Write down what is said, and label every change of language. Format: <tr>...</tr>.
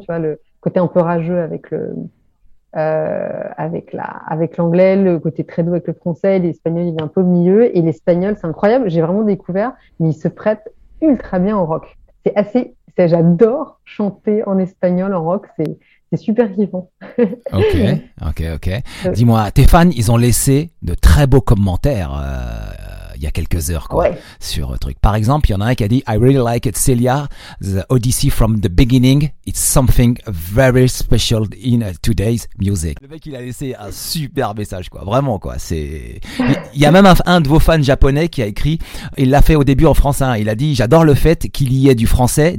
<fr>Tu vois, le côté un peu rageux avec le avec l'anglais, le côté très doux avec le français, l'espagnol il est un peu au milieu, et l'espagnol c'est incroyable, j'ai vraiment découvert, mais il se prête ultra bien au rock. J'adore chanter en espagnol en rock, C'est super vivant. Ok. Dis-moi, tes fans, ils ont laissé de très beaux commentaires il y a quelques heures, quoi, Ouais. sur un truc. Par exemple, il y en a un qui a dit:</fr> <en>I really like it, Celia. The Odyssey from the beginning. It's something very special in today's music.</en> <fr>Le mec, il a laissé un super message, quoi. Vraiment, quoi. Il y a même un de vos fans japonais qui a écrit, il l'a fait au début en français. Hein. Il a dit: J'adore le fait qu'il y ait du français.</fr>